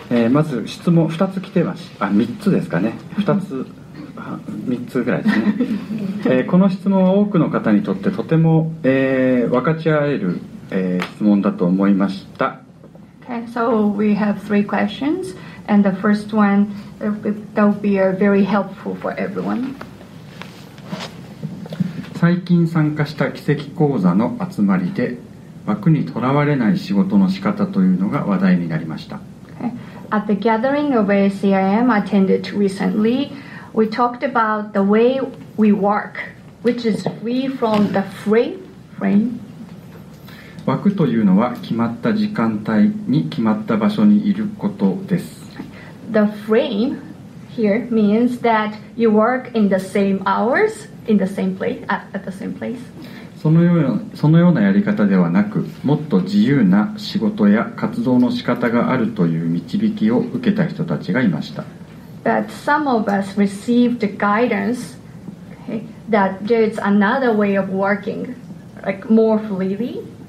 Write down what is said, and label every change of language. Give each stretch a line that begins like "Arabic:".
Japanese: まず質問2つ来てます。あ、3つですかね、2つ3つぐらいですね、この質問は多くの方にとってとても、分かち合える、質問だと思いました。
English: Okay, so we have three questions and the first one that will be very helpful for everyone。
Japanese: 最近参加した奇跡講座の集まりで枠にとらわれない仕事の仕方というのが話題になりました。
English: Okay. At the gathering of ACIM attended recently, we talked about the way we work, which is free from the frame.
Japanese: 枠というのは決まった時間帯に決まった場所にいることです。
English: The frame here means that you work in the same hours. In the same place, at the same place.
Japanese: そのようなやり方ではなく、もっと自由な仕事や活動の仕方があるという導きを受けた人たちがいました。
English: But some of us received guidance, that there is another way of working, like more freely.